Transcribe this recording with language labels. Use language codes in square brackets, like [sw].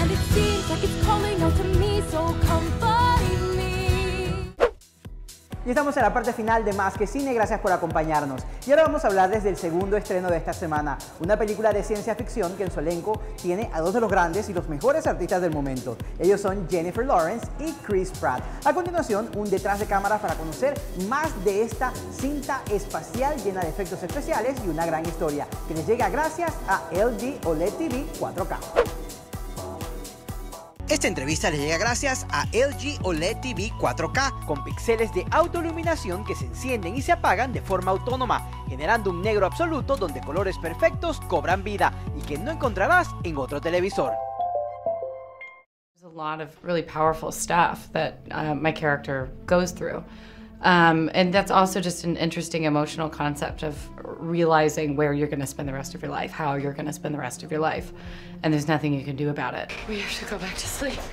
[en] And it seems like it's calling out to me, so come find me. [es] Y estamos en la parte final de Más que Cine, gracias por acompañarnos. Y ahora vamos a hablar desde el segundo estreno de esta semana, una película de ciencia ficción que en su elenco tiene a dos de los grandes y los mejores artistas del momento. Ellos son Jennifer Lawrence y Chris Pratt. A continuación, un detrás de cámaras para conocer más de esta cinta espacial llena de efectos especiales y una gran historia, que les llega gracias a LG OLED TV 4K. Esta entrevista le llega gracias a LG OLED TV 4K, con píxeles de autoiluminación que se encienden y se apagan de forma autónoma, generando un negro absoluto donde colores perfectos cobran vida y que no encontrarás en otro televisor. [en] There's a lot of really powerful stuff that my character goes through. And that's also just an interesting emotional concept of realizing where you're going to spend the rest of your life, how you're going to spend the rest of your life, and there's nothing you can do about it. We have to go back to sleep.